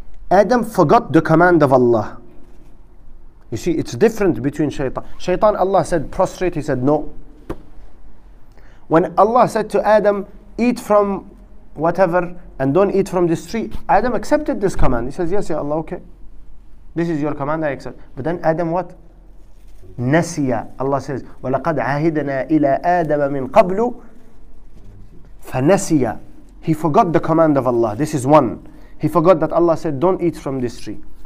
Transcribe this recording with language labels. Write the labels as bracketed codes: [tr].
[en] Adam forgot the command of Allah. You see, it's different between Shaitan. Shaitan, Allah said, prostrate, he said, no. When Allah said to Adam, eat from whatever and don't eat from this tree, Adam accepted this command. He says, yes, ya Allah, okay. This is your command, I accept. But then Adam what? Nasiya. Allah says, [ar] وَلَقَدْ عَهِدْنَا إِلَىٰ آدَمَ مِنْ قَبْلُ فَنَسِيَ. [en] He forgot the command of Allah. This is one. He forgot that Allah said, don't eat from this tree.